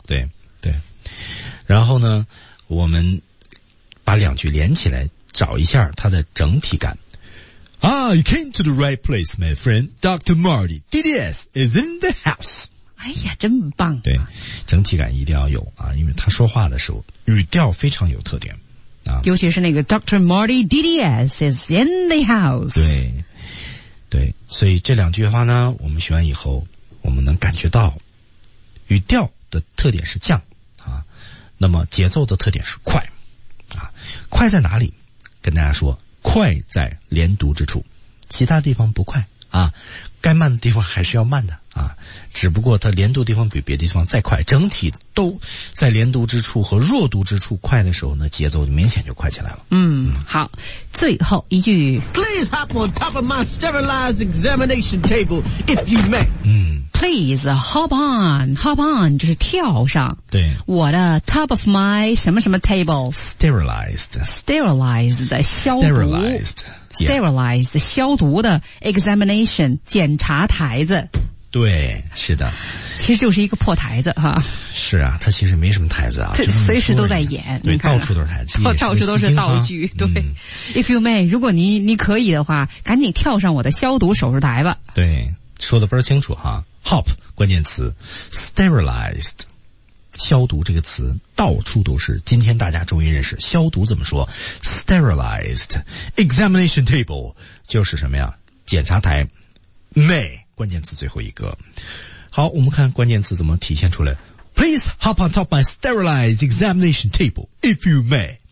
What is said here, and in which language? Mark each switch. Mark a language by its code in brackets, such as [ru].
[zh] 对对，然后呢，我们把两句连起来。找一下它的整体感。 [en] Ah, you came to the right place, my friend. Dr. Marty, DDS is in the house. [zh] 哎呀，真棒、啊！对，整体感一定要有啊，因为他说话的时候语调非常有特点啊。尤其是那个 Dr. [en] Marty, DDS is in the house。 [zh] 对，对，所以这两句话呢，我们学完以后，我们能感觉到语调的特点是降啊，那么节奏的特点是快啊，快在哪里？跟大家说，快在连读之处，其他地方不快啊，该慢的地方还是要慢的啊，只不过它连读地方比别的地方再快，整体都在连读之处和弱读之处快的时候呢，节奏明显就快起来了。嗯，好，最后一句 [en] ，Please hop on top of my sterilized examination table if you may。嗯，Please hop on， hop on [zh] 就是跳上。对，我的 [en] top of my [zh] 什么什么 [en] table， sterilized， [zh] sterilized 的消毒。 [en] Sterilized. Sterilized、 yeah. [zh] 消毒的 examination 检查台子，对，是的，其实就是一个破台子哈。是啊，它其实没什么台子啊，这随时都在演，对，到处都是台子，到处都是道具。对、嗯、， [en] If you may， [zh] 如果你可以的话，赶紧跳上我的消毒手术台吧。对，说的倍儿清楚哈。 [en] Hop [zh] 关键词 [en] sterilized。 [zh] 消毒这个词到处都是，今天大家终于认识消毒怎么说 sterilized [en] examination table [zh] 就是什么呀，检查台 [en] may [zh] 关键词最后一个。好，我们看关键词怎么体现出来。 [en] Please hop on top my sterilized examination table if you may